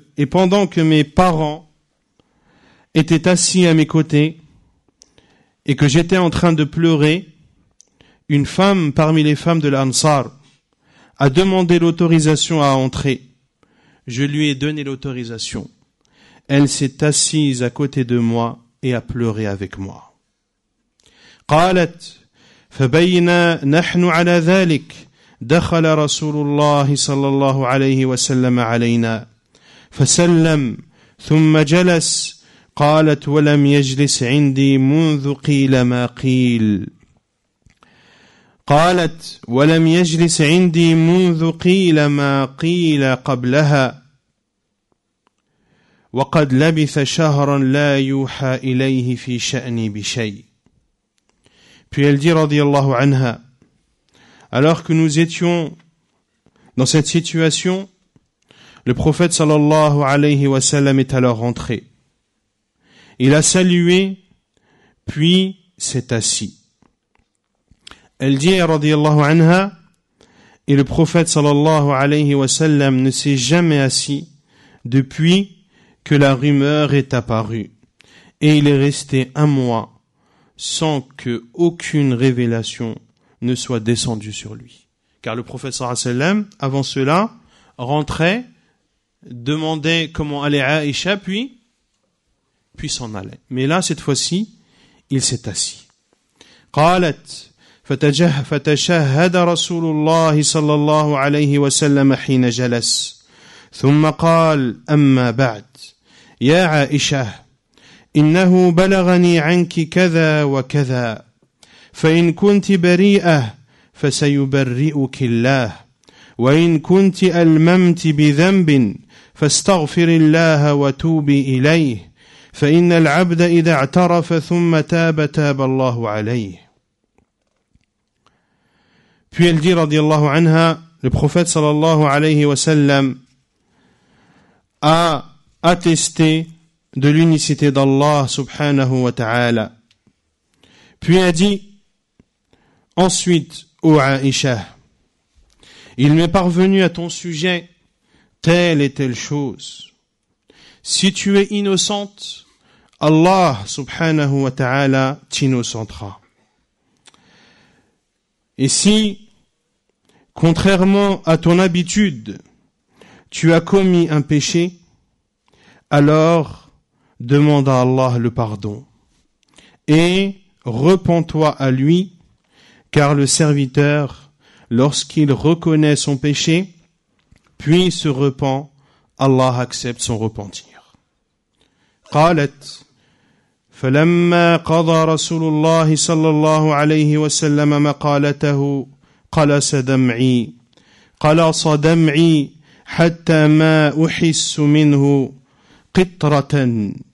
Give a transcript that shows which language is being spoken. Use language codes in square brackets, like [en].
[fr] Pendant que mes parents étaient assis à mes côtés et que j'étais en train de pleurer, une femme parmi les femmes de l'Ansar a demandé l'autorisation à entrer. Je lui ai donné l'autorisation. Elle s'est assise à côté de moi et a pleuré avec moi. [ar] قالت فبينا نحن على ذلك دخل رسول الله صلى الله عليه وسلم علينا فسلم ثم جلس قالت ولم يجلس عندي منذ قيل ما قيل قالت ولم يجلس عندي منذ قيل ما قيل قبلها وقد لبث شهرا لا يوحى إليه في شأني بشيء. [fr] Puis elle dit, رضي الله عنها, alors que nous étions dans cette situation, le prophète sallallahu alayhi wa sallam est alors rentré. Il a salué, puis s'est assis. Elle dit, radiyallahu anha, et le prophète sallallahu alayhi wa sallam ne s'est jamais assis depuis que la rumeur est apparue. Et il est resté un mois sans que aucune révélation ne soit descendu sur lui. Car le prophète sallallahu alayhi wa sallam, avant cela, rentrait, demandait comment allait Aïcha, puis s'en allait. Mais là, cette fois-ci, il s'est assis. [ar] قالت فتشهد رسول الله صلى الله عليه وسلم حين جلس ثم قال أما بعد يا عائشة إنه بلغني عنك كذا وكذا فإن كنت بريئة فسيبرئك الله وإن كنت ألممت بذنب فاستغفر الله وتوبي إليه فإن العبد إذا اعترف ثم تاب تاب الله عليه. [fr] Puis elle dit, رضي الله عنها, le prophète صلى الله عليه وسلم a attesté de l'unicité d'Allah سبحانه وتعالى. Puis a dit ensuite, ô Aïcha, il m'est parvenu à ton sujet telle et telle chose. Si tu es innocente, Allah subhanahu wa ta'ala t'innocentera. Et si, contrairement à ton habitude, tu as commis un péché, alors demande à Allah le pardon et repens-toi à lui, car le serviteur, lorsqu'il reconnaît son péché, puis se repent, Allah accepte son repentir. [ar] قالت فلما قضى رسول الله صلى الله عليه وسلم مقالته قال صدمعي قال صدمعي حتى ما أحس منه قطرة